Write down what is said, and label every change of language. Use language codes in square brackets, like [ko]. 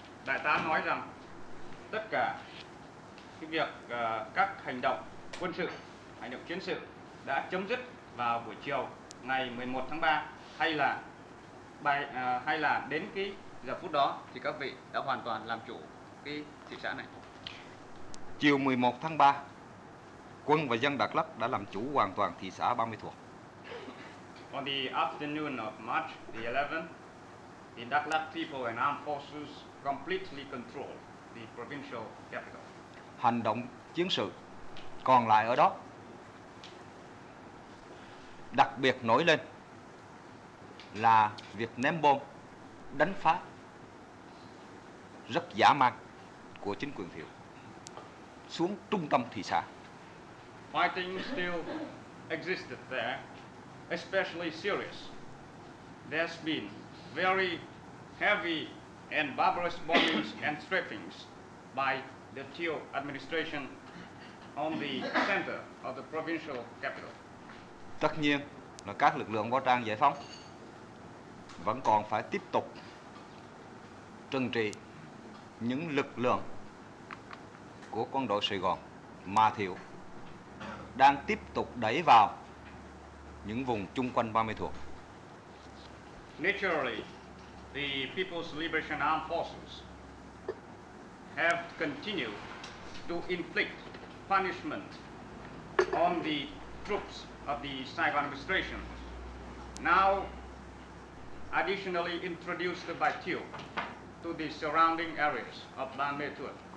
[vi] Đại tá nói rằng tất cả cái việc các hành động quân sự, hành động chiến sự đã chấm dứt vào buổi chiều ngày 11 tháng 3 hay là đến cái giờ phút đó thì các vị đã hoàn toàn làm chủ cái thị xã này. Chiều 11 tháng 3, quân và dân Đắk Lắk đã làm chủ hoàn toàn thị xã Ban Mê Thuột. [en] On the afternoon of March the 11th, the Đắk Lắk people and armed forces completely controlled the provincial capital. [vi] Hành động chiến sự còn lại ở đó đặc biệt nổi lên là việc ném bom đánh phá rất dã man của chính quyền Thiệu xuống trung tâm thị xã. [en] Fighting still existed there, especially serious. There's been very heavy and barbarous bombings and strafings by the Thiệu administration on the center of the provincial capital. [vi] Tất nhiên là các lực lượng võ trang giải phóng vẫn còn phải tiếp tục trừng trị những lực lượng của quân đội Sài Gòn mà Thiệu đang tiếp tục đẩy vào những vùng chung quanh Ban Mê Thuột. [en] Naturally, the People's Liberation Armed Forces have continued to inflict punishment on the troops of the Saigon administration, now additionally introduced by Thieu to the surrounding areas of Ban Mê Thuột.